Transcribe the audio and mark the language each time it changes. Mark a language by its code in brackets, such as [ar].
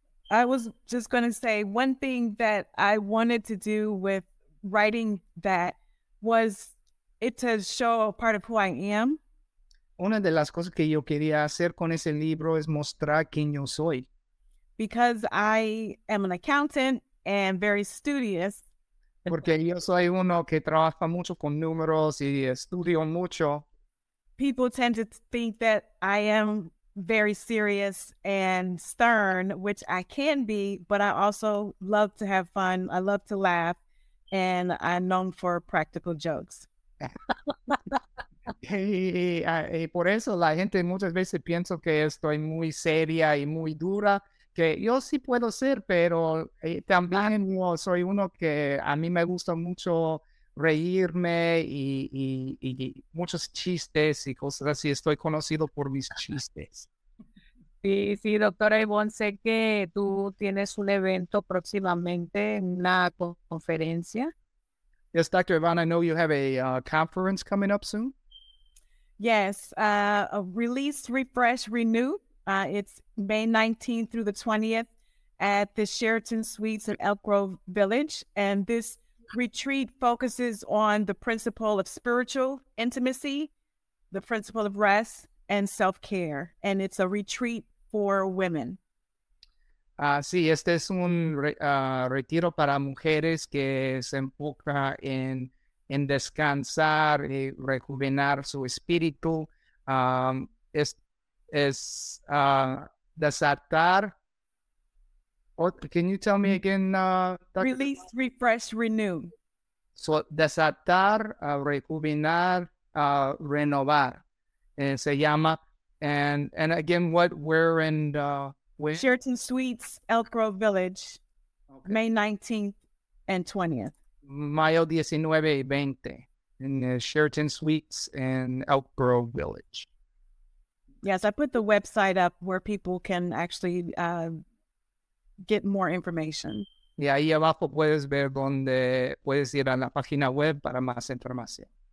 [en] I was just going to say one thing that I wanted to do with writing that was it to show a part of who I am. [es] Una de las cosas que yo quería hacer con ese libro es mostrar quién yo soy. [en] Because I am an accountant and very studious. [es] Porque yo soy uno que trabaja mucho con números y estudio mucho. [en] People tend to think that I am very serious and stern, which I can be, but I also love to have fun. I love to laugh, and I'm known for practical jokes. [es] Y por eso la gente muchas veces piensa que estoy muy seria y muy dura, que yo sí puedo ser, pero también soy uno que a mí me gusta mucho reírme y muchos chistes y cosas así. Estoy conocido por mis chistes. Sí, doctora Yvonne, sé que tú tienes un evento próximamente, una conferencia. [en] Yes, Dr. Yvonne, I know you have a conference coming up soon. Yes, a release, refresh, renew. It's May 19th through the 20th at the Sheraton Suites in Elk Grove Village. And this retreat focuses on the principle of spiritual intimacy, the principle of rest and self-care, and it's a retreat for women. [es] Sí, este es un retiro para mujeres que se enfoca en descansar y rejuvenar su espíritu. [en] is desatar. Can you tell me again? Release, refresh, renew. [es] So desatar, rejuvenar, renovar. And se llama. [en] And again, what we're in? Where? Sheraton Suites, Elk Grove Village, okay. May 19th and 20th. [es] Mayo 19 y 20 in Sheraton Suites and Elk Grove Village. [en] Yes, I put the website up where people can actually get more information. [es] Y ahí abajo puedes ver donde puedes ir a la página web para más información.